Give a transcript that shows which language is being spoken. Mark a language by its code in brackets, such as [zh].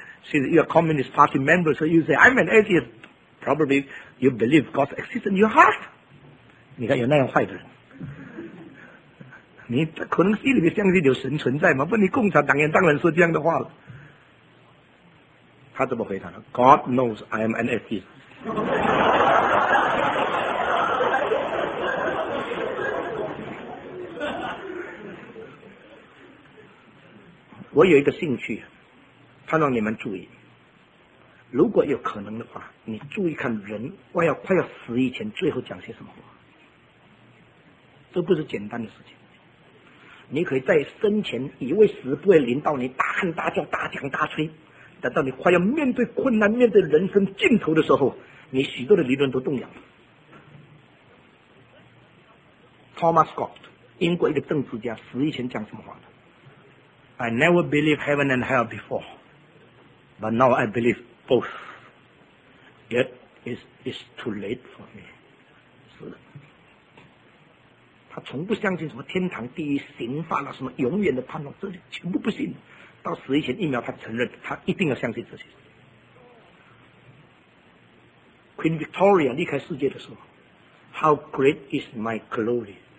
[en] Since you're a communist party member, so you say I'm an atheist. Probably you believe God exists in your heart. [zh] 你看有那样坏的人，你可能心里面相信有神存在吗？不，你共产党员当然说这样的话了。他怎么回答呢？ [en] God knows I am an atheist. [zh] 我有一个兴趣，盼望你们注意，如果有可能的话，你注意看人快要死以前最后讲些什么话，这不是简单的事情。你可以在生前以为死不会临到你，大喊大叫，大讲大吹，等到你快要面对困难，面对人生尽头的时候，你许多的理论都动摇了。 Thomas Scott， 英国一个政治家，死以前讲什么话呢？ [en] I never believed heaven and hell before, but now I believe both. Yet it's too late for me. [zh] 是的，他从不相信什么天堂、地狱、刑罚了什么永远的盼望，这些全部不信。到死以前一秒，他承认他一定要相信这些。 Queen Victoria 离开世界的时候， [en] How great is my glory?